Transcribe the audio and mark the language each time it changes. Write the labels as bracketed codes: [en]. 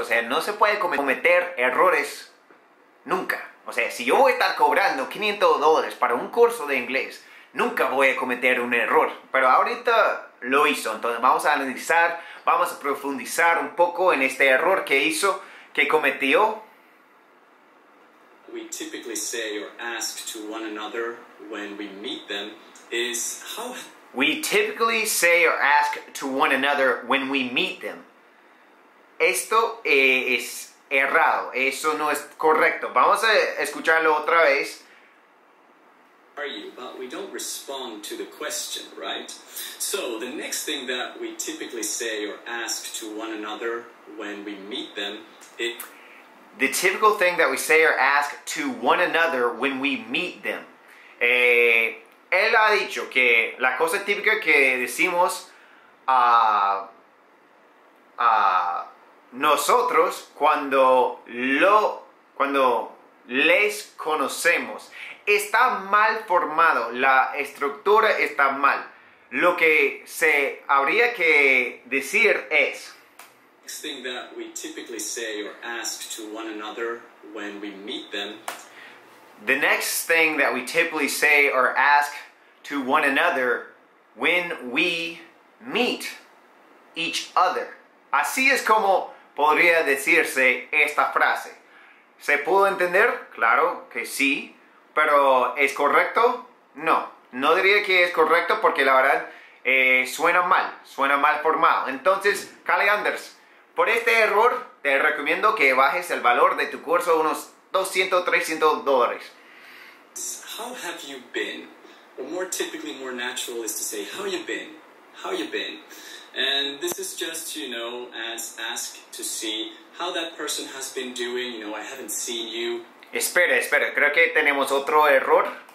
[es] O sea, no se puede cometer errores nunca. O sea, si yo voy a estar cobrando $500 para un curso de inglés, nunca voy a cometer un error. Pero ahorita lo hizo. Entonces vamos a analizar, vamos a profundizar un poco en este error que hizo, que cometió. [en] We typically say or ask to one another when we meet them is how... We typically say or ask to one another when we meet them. [es] Esto es errado. Eso no es correcto. Vamos a escucharlo otra vez. [en] Are you? But we don't respond to the question, right? So the next thing that we typically say or ask to one another when we meet them, it... The typical thing that we say or ask to one another when we meet them. [es] Él ha dicho que la cosa típica que decimos a nosotros cuando les conocemos está mal formado, la estructura está mal. Lo que se habría que decir es [en] next thing that we typically say or ask to one another when we meet them. The next thing that we typically say or ask to one another when we meet each other. [es] Así es como podría decirse esta frase. ¿Se pudo entender? Claro que sí. ¿Pero es correcto? No. No diría que es correcto porque la verdad suena mal. Suena mal formado. Entonces, Kale, por este error te recomiendo que bajes el valor de tu curso unos $200, $300. [en] How have you been? Or more typically, more natural is to say, how you been? How you been? And this is just, you know, as ask to see how that person has been doing. You know, I haven't seen you. [es] Espera, espera. Creo que tenemos otro error.